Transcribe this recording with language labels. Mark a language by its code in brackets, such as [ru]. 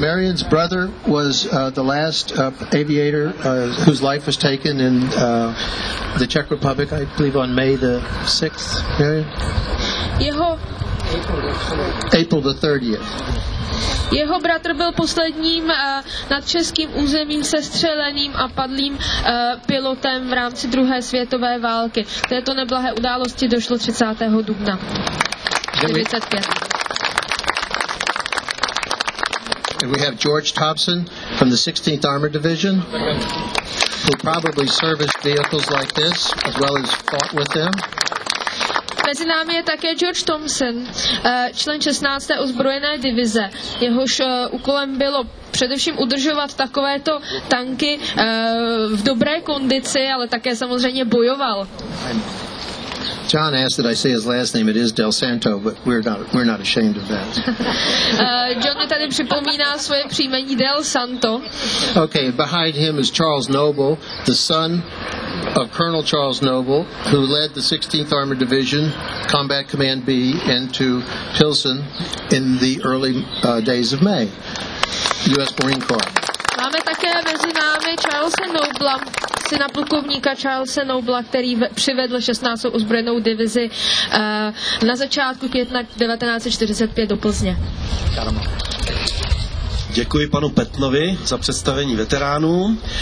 [en] Marion's brother was the last aviator whose life was taken in the Czech Republic, I believe, on May the 6th. Marion? [cs] Jeho... [en] April the 30th. [cs] Jeho bratr byl posledním nad českým územím sestřeleným a padlým pilotem v rámci druhé světové války. K této neblahé události došlo 30. dubna. 45. [en] And we have George Thompson from the 16th Armored Division, who probably serviced vehicles like this, as well as fought with them. [cs] Mezi námi je také George Thompson, člen 16. ozbrojené divize. Jehož úkolem bylo především udržovat takovéto tanky v dobré kondici, ale také samozřejmě bojoval. [en] John asked that I say his last name. It is Del Santo, but we're not ashamed of that. [cs] John mi tady připomíná svoje příjmení Del Santo. [en] Okay, behind him is Charles Noble, the son of Colonel Charles Noble, who led the 16th Armored Division, Combat Command B, into Pilsen in the early days of May. U.S. Marine Corps. [cs] Máme také mezi námi Charlesa Nobla, syna plukovníka Charlesa Nobla, který přivedl 16. ozbrojenou divizi na začátku května 1945 do Plzně. Děkuji panu Petnovi za představení veteránů.